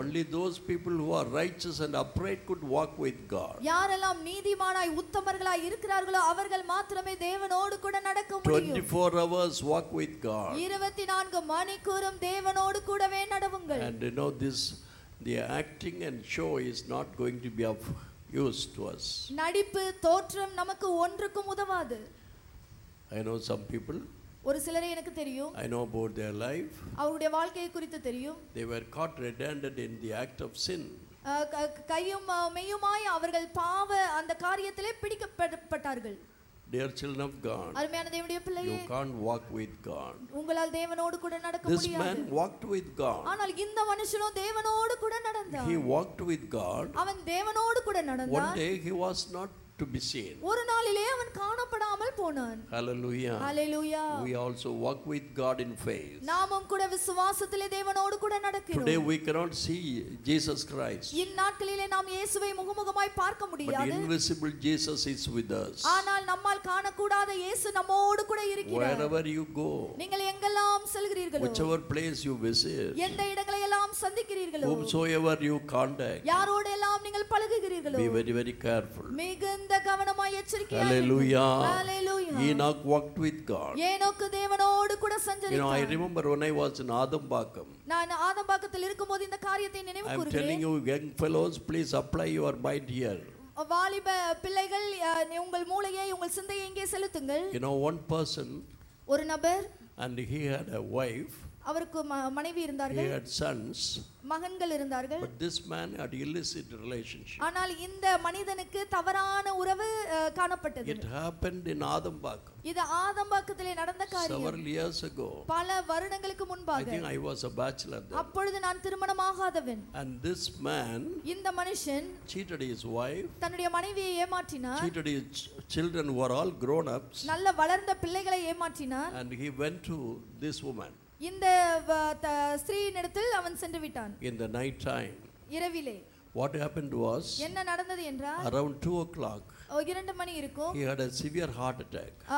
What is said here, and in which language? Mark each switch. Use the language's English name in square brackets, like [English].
[English] Only those people who are righteous and upright could walk with God. [Tamil] யாரெல்லாம் நீதிமானாய் உத்தமர்களாய் இருக்கிறார்களோ அவர்கள் மாத்திரமே தேவனோடு கூட நடக்க முடியும். [English] 24 hours walk with God. [Tamil] 24 மணிக்கூறும் தேவனோடு கூடவே நடவுங்கள். [English] And you know this The acting and show is not going to be of use to us. [Tamil] நடிப்பு தோற்றம் நமக்கு ஒன்றுக்கும் உதவாது. [English] I know some people. [Tamil] ஒரு சிலரை எனக்கு தெரியும். [English] I know about their life. [Tamil] அவருடைய வாழ்க்கையை குறித்து தெரியும். [English] They were caught red-handed in the act of sin. [Tamil] கையும் மெய்யுமாய் அவர்கள் பாவ அந்த காரியத்திலே பிடிக்கப்பட்டார்கள். [English] Dear children of God, [Tamil] அருமையான தேவனுடைய பிள்ளையே, [English] you can't walk with God. [Tamil] உங்களால் தேவனோடு கூட நடக்க முடியாது. [English] This man walked with God. [Tamil] ஆனால் இந்த மனுஷனோ தேவனோடு கூட நடந்தான். [English] He walked with God. [Tamil] அவன் தேவனோடு கூட நடந்தான். [English] One day he was not to be seen. [Tamil] ஒரு நாளிலே அவன் காணப்படாமல் போனான். [English] Hallelujah. Hallelujah. We also walk with God in faith. [Tamil] நாமும் கூட விசுவாசத்திலே தேவனோடு கூட நடக்கிறோம். [English] Today we cannot see Jesus Christ. [Tamil] இந்நாட்களிலே நாம் இயேசுவை முகமுகமாய் பார்க்க முடியாது. [English] But invisible Jesus is with us. [Tamil] ஆனால் நம்மால் காணக்கூடாத இயேசு நம்மோடு கூட இருக்கிறார். [English] Wherever you go. [Tamil] நீங்கள் எங்கெல்லாம் செல்கிறீர்களோ. [English] Whichever place you visit. [Tamil] எந்த இடங்களை எல்லாம் சந்திக்கிறீர்களோ. [English] Whomsoever you contact. [Tamil] யாரோடு எல்லாம் நீங்கள் பழகுகிறீர்களோ. [English] Be very very careful. [Tamil] மிக கவனமாய் எச்சரிக்கை. [English] Hallelujah. Hallelujah. Enoch walked with God. [Tamil] ஏனோக்கு தேவனோடு கூட சஞ்சரித்தான். [English] You know, I remember when I was in Adambakkam. [Tamil] நான் ஆதம்பாக்கத்தில் இருக்கும்போது இந்த காரியத்தை நினைவு கூறுகிறேன். [English] I'm telling you young fellows, please apply your mind here. [Tamil] வாலிப பிள்ளைகள் உங்கள் மூளையை உங்கள் சிந்தையை இங்கே செலுத்துங்கள். [English] You know one person. [Tamil] ஒரு நபர். [English] And he had a wife. [Tamil] அவருக்கு மனைவி இருந்தார்கள். [English] He had sons. [Tamil] மகன்கள் இருந்தார்கள். [English] But this man had illicit relationship. [Tamil] ஆனால் இந்த மனிதனுக்கு தவறான உறவு காணப்பட்டது. [English] It happened in Adambakkam. [Tamil] இது ஆதம்பாக்கத்திலே நடந்த காரியம். [English] Several years ago. [Tamil] பல வருடங்களுக்கு முன்பாக. [English] I think I was a bachelor then. [Tamil] அப்பொழுது நான் திருமணமாகாதவன். [English] And this man. [Tamil] இந்த மனுஷன். [English] Cheated his wife. [Tamil] தன்னுடைய மனைவியை ஏமாற்றினார். [English] Cheated his children who were all grown ups. [Tamil] நல்ல வளர்ந்த பிள்ளைகளை ஏமாற்றினார். [English] And he went to this woman. [Tamil] இந்த ஸ்திரீயின் இடத்தில் அவன் சென்று விட்டான். [English] இந்த night time [Tamil] இரவிலே [English] What happened was, [Tamil] enna nadandhadu endra, [English] around 2 o'clock he had a severe heart attack.